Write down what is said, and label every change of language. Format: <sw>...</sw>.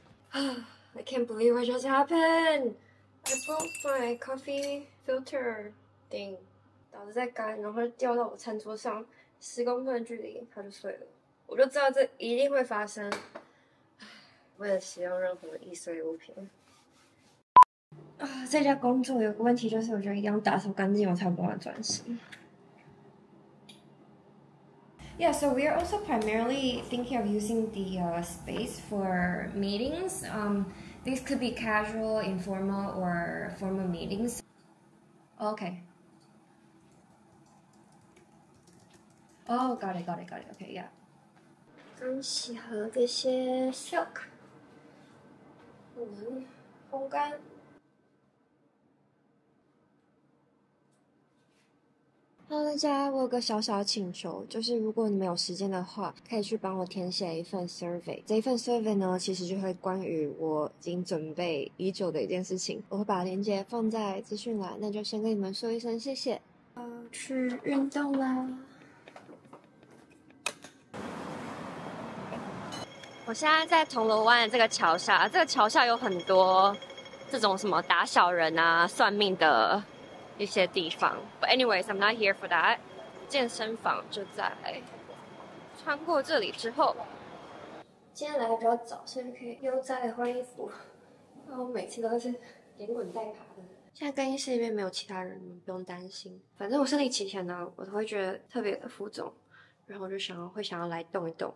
<en>啊！I can't believe what just happened. I broke my coffee filter thing，</en> <zh>导致在干，然后就掉到我餐桌上10公分的距离，它就碎了。我就知道这一定会发生。为了使用任何易碎物品，啊！这家工作有个问题就是，我觉得一定要打扫干净，我才有办法专心。</zh> <en>Yeah, so we are also primarily thinking of using the space for meetings. These could be casual, informal, or formal meetings. Okay. Oh, got it. Okay, yeah.</en> <zh>刚洗好这些 silk，烘干。 Hello，大家，我有个小小的请求，就是如果你们有时间的话，可以去帮我填写一份 survey。这一份 survey 呢，其实就会关于我已经准备已久的一件事情。我会把链接放在资讯栏，那就先跟你们说一声谢谢。去运动啦！我现在在铜锣湾的这个桥下，这个桥下有很多这种什么打小人啊、算命的。一些地方，</zh> <en>But anyways, I'm not here for that。</en> <zh>健身房就在穿过这里之后。今天来的比较早，所以可以悠哉的换衣服。然后每次都是连滚带爬的。现在更衣室里面没有其他人，不用担心。反正我生理期前呢，我都会觉得特别的浮肿，然后就想要来动一动。</zh>